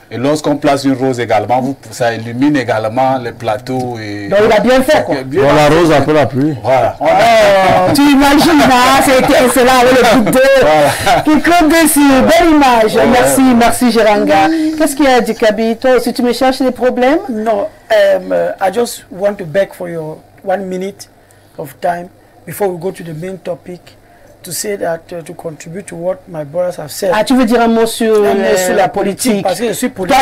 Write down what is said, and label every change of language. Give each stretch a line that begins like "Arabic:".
French: Et lorsqu'on place une rose également, ça illumine également les plateaux. Donc il a bien fait, quoi. Bon, la rose après la pluie. Voilà. Tu imagines, hein, c'est là avec le coup de qui compte dessus. Voilà. Belle image. Ouais, merci, ouais. Merci Géranga. Qu'est-ce qu'il y a, Dikabi? Toi, si tu me cherches des problèmes.
English: Non, I just want to beg for your 1 minute of time before we go to the main topic. To say that to contribute to what my brothers have said.
French: Ah, tu veux dire un mot sur la politique? Parce que je suis politique.